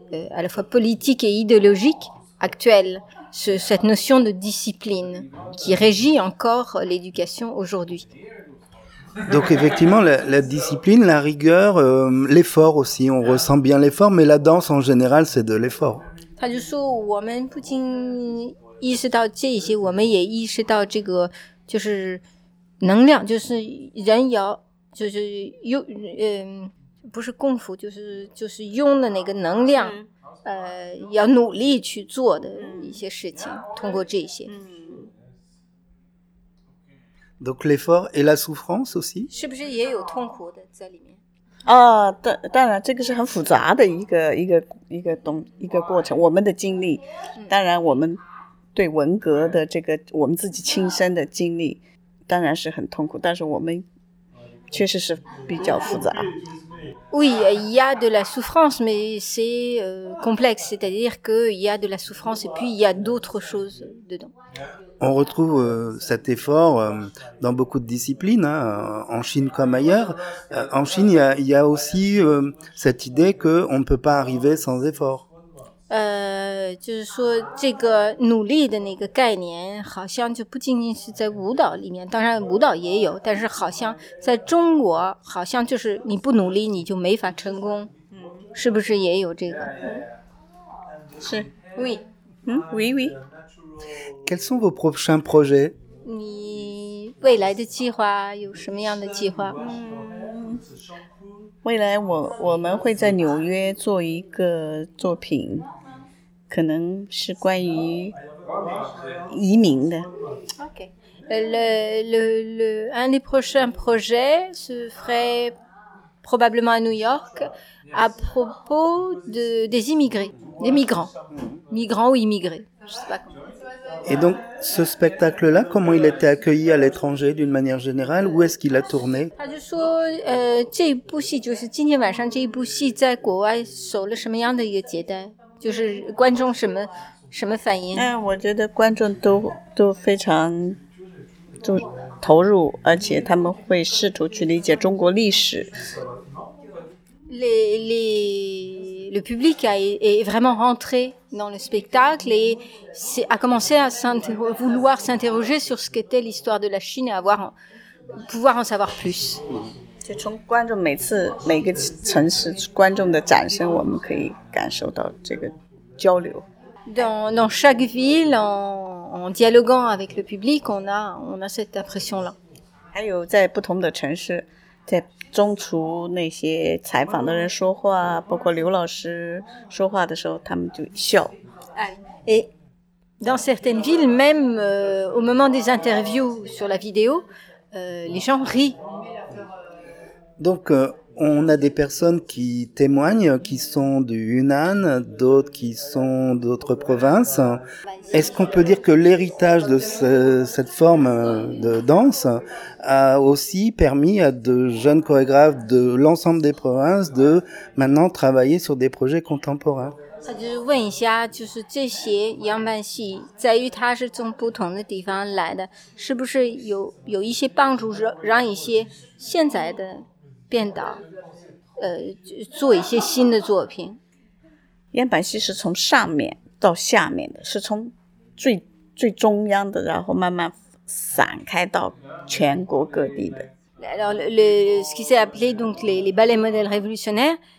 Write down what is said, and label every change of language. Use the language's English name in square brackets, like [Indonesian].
[French] À la fois politique et idéologique actuelle, cette notion de discipline qui régit encore l'éducation aujourd'hui. Donc effectivement, la discipline, la rigueur, l'effort aussi, on ressent bien l'effort, mais la danse en général, c'est de l'effort. [Chinese] 他就说我们不仅意识到这些，我们也意识到这个就是能量，就是人要就是有不是功夫，就是用的那个能量，要努力去做的一些事情，通过这些。 [French] Donc l'effort et la souffrance aussi？ [Chinese] 是不是也有痛苦的在里面？啊，当然，这个是很复杂的一个过程。我们的经历，当然我们对文革的这个我们自己亲身的经历，当然是很痛苦，但是我们确实是比较复杂。 [French] Oui, il y a de la souffrance, mais c'est complexe. C'est-à-dire qu'il y a de la souffrance et puis il y a d'autres choses dedans. On retrouve cet effort dans beaucoup de disciplines, hein, en Chine comme ailleurs. En Chine, il y a aussi cette idée qu'on ne peut pas arriver sans effort. [Chinese] 就是说这个努力的那个概念好像就不仅仅是在舞蹈里面，当然舞蹈也有，但是好像在中国好像就是你不努力你就没法成功，是不是也有这个？是 [French] Oui Oui Oui Quels sont vos prochains projets? [Chinese] 你未来的计划有什么样的计划？未来我们会在纽约做一个作品，可能是关于移民的。 [French] OK, le un des prochains projets se ferait probablement à New York à propos des immigrés, des migrants, migrants ou immigrés, je sais pas. Et donc ce spectacle-là, comment il était accueilli à l'étranger d'une manière générale? Où est-ce qu'il a tourné? [Chinese] 他就说，这一部戏就是今天晚上这一部戏在国外受了什么样的一个接待？就是观众什么反应？我觉得观众都非常就投入，而且他们会试图去理解中国历史。 [French] Le public est vraiment rentré dans le spectacle et a commencé à vouloir s'interroger sur ce qu'était l'histoire de la Chine et avoir pouvoir en savoir plus. [Chinese] 就从观众每次每个城市观众的掌声，我们可以感受到这个交流。 [French] Dans chaque ville, en dialoguant avec le public, on a cette impression-là. [Chinese] 还有在不同的城市，在中途那些采访的人说话，包括刘老师说话的时候，他们就笑。 [French] Et dans certaines villes, même au moment des interviews sur la vidéo, les gens rient. Donc, on a des personnes qui témoignent, qui sont du Yunnan, d'autres qui sont d'autres provinces. Est-ce qu'on peut dire que l'héritage de cette forme de danse a aussi permis à de jeunes chorégraphes de l'ensemble des provinces de maintenant travailler sur des projets contemporains ? [Chinese] 他就是问一下，就是这些样板戏，在于他是从不同的地方来的，是不是有一些帮助，让一些现在的编导，做一些新的作品？样板戏是从上面到下面的，是从最中央的，然后慢慢散开到全国各地的。 [French] Alors le ce qui s'est appelé donc les ballets modèles révolutionnaires。